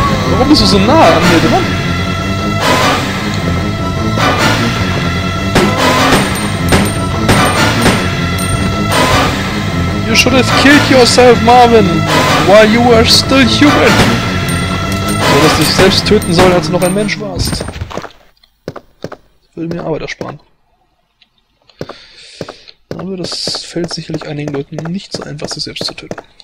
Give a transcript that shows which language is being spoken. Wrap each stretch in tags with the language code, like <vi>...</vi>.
<de>Warum bist du so nah an mir dran?</de> <en>You should have killed yourself, Marvin, while you were still human.</en> <de>So, dass du dich selbst töten sollst, als du noch ein Mensch warst. Das würde mir Arbeit ersparen. Aber das fällt sicherlich einigen Leuten nicht so einfach, sich selbst zu töten.</de>